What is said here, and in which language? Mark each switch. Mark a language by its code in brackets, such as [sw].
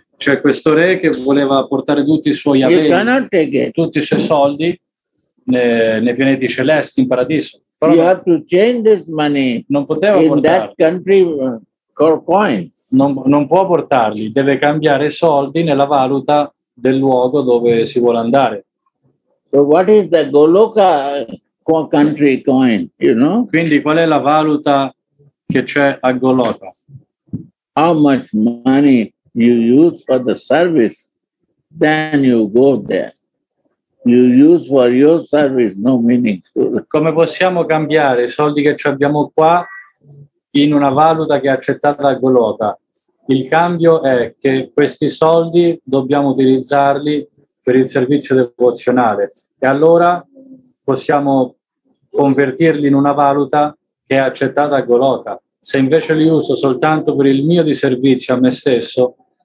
[it] C'è questo re che voleva portare tutti i suoi averi, tutti i suoi soldi nei pianeti celesti, in paradiso. Però [en] you have to change this money [it] non poteva [en] in that country core coin. [it] Non può portarli, deve cambiare i soldi nella valuta del luogo dove si vuole andare. [en] So what is the Goloka country coin, you know? [it] Quindi qual è la valuta che c'è a Goloka? [en] How much money you use for the service, then you go there. You use for your service, no meaning. [it] Come possiamo cambiare i soldi che ci abbiamo qua in una valuta che è accettata da Goloka? Il cambio è che questi soldi dobbiamo utilizzarli per il servizio devozionale e allora possiamo convertirli in una valuta che è accettata da Goloka. Se invece li uso soltanto per il mio di servizio a me stesso,